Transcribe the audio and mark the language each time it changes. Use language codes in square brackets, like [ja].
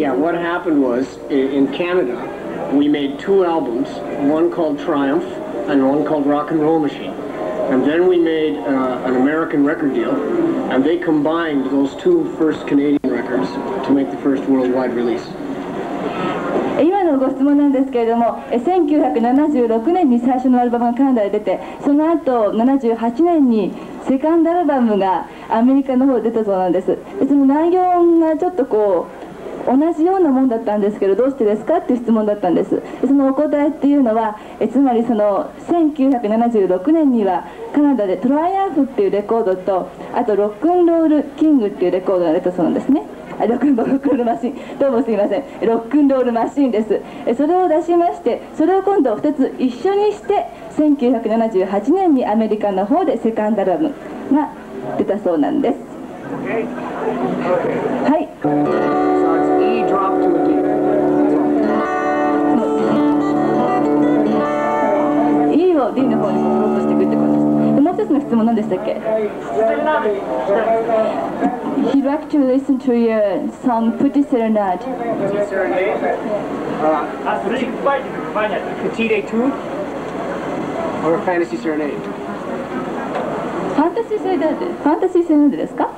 [en] Yeah, what happened was, in Canada, we made two albums, one called Triumph and one called Rock and Roll Machine. And then we made an American record deal, and they combined those two first Canadian records to make the first worldwide release. [ja] 今のご質問なんですけれども、1976年に最初のアルバムがカナダで出て、その後78年にセカンドアルバムがアメリカの方で出たそうなんです。その内容がちょっとこう同じようなもんだったんですけど、どうしてですかっていう質問だったんです。そのお答えっていうのは、つまりその1976年にはカナダでトライアンフっていうレコードと、あとロックンロールキングっていうレコードが出たそうなんですね。ロックンロールマシンです。それを出しまして、それを今度2つ一緒にして1978年にアメリカの方でセカンドアルバムが出たそうなんです。はい、E を D の方に戻ろうとしていくってことです。もう一つの質問何でしたっけ。 [en] He'd like to listen to your song Petite Serenade. Petite Etude? Or Fantasy Serenade? Fantasy Serenade? Fantasy Serenade [ja] ですか?